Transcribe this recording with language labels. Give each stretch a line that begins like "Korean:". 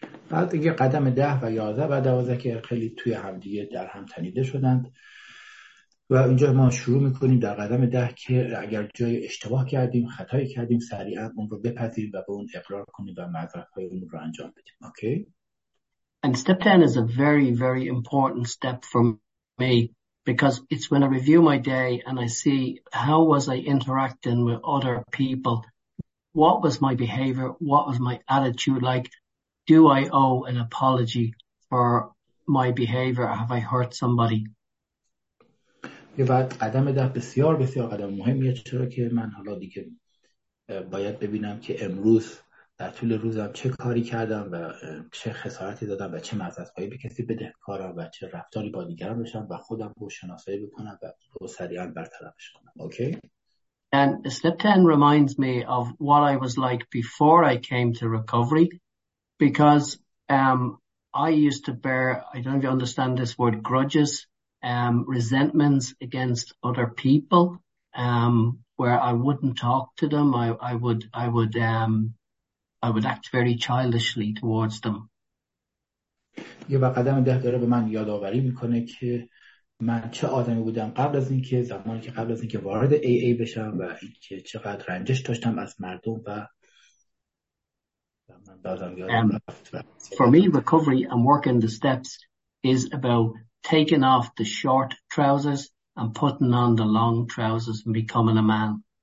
Persian: بعد دیگه قدم 10 و 11 و 12 که خیلی توی همدیگه در هم تنیده شدند و اینجا ما شروع میکنیم در قدم 10 که اگر جای اشتباه کردیم خطایی کردیم سریعا اون رو بپذیریم و به اون اقرار کنیم و معذرت های اون رو انجام بدیم. اوکی
English: And step 10 is a very very important step for me because it's when I review my day and I see how was I interacting with other people, what was my behavior, what was my attitude like, do I owe an apology for my behavior, have I hurt somebody.
Persian: یه بعد قدم ده بسیار بسیار قدم مهمیه چرا که من حالا دیگه باید ببینم که امروز در طول روزم چه کاری کردم و چه خسارتی دادم و چه معذرت‌خواهی به کسی بدهکارم و چه رفتاری با دیگران داشتم و خودم رو شناسایی بکنم و رو سریعا برطرفش کنم. اوکی okay?
English: And step 10 reminds me of what I was like before I came to recovery because I used to bear, I don't know if you understand this word, grudges, resentments against other people, where I wouldn't talk to them. I would act very childishly towards them.
Persian: یه قدم ده داره به من یادآوری میکنه که من چه آدمی بودم قبل از اینکه زمانی که قبل از اینکه وارد AA بشم و اینکه چقدر رنجش داشتم از مردم و من بازم یادم رفت.
English: For me, recovery and working the steps is about taking off the short trousers and putting on the long trousers and becoming a man.